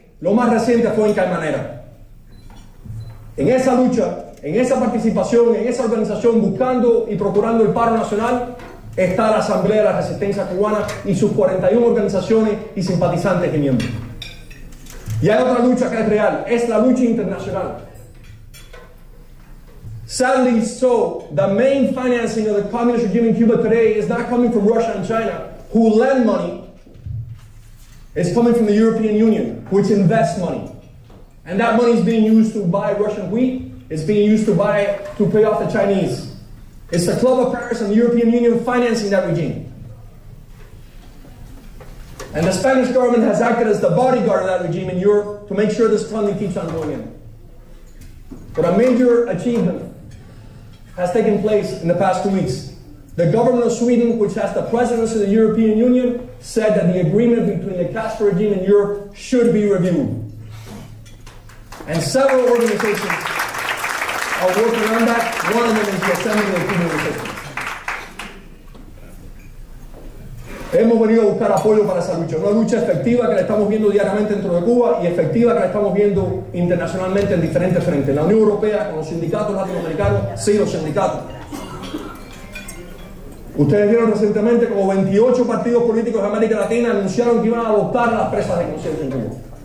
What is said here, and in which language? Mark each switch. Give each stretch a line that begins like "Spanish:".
Spanish: Lo más reciente fue en Caimanera. En esa lucha, en esa participación, en esa organización, buscando y procurando el paro nacional, está la Asamblea de la Resistencia Cubana y sus 41 organizaciones y simpatizantes y miembros. Y hay otra lucha que es real, es la lucha internacional.
English: Sadly so, the main financing of the communist regime in Cuba today is not coming from Russia and China, who lend money. It's coming from the European Union, which invests money. And that money is being used to buy Russian wheat. It's being used to buy, to pay off the Chinese. It's the Club of Paris and the European Union financing that regime. And the Spanish government has acted as the bodyguard of that regime in Europe to make sure this funding keeps on going in. But a major achievement has taken place in the past 2 weeks. The government of Sweden, which has the presidency of the European Union, said that the agreement between the Castro regime and Europe should be reviewed. And several organizations are working on that. One of them is the Assembly of Cuban Resistance.
Spanish: Hemos venido a buscar apoyo para esa lucha. Una lucha efectiva que la estamos viendo diariamente dentro de Cuba y efectiva que la estamos viendo internacionalmente en diferentes frentes. La Unión Europea, con los sindicatos latinoamericanos, sí, los sindicatos. Ustedes vieron recientemente como 28 partidos políticos de América Latina anunciaron que iban a adoptar a las presas de conciencia en Cuba.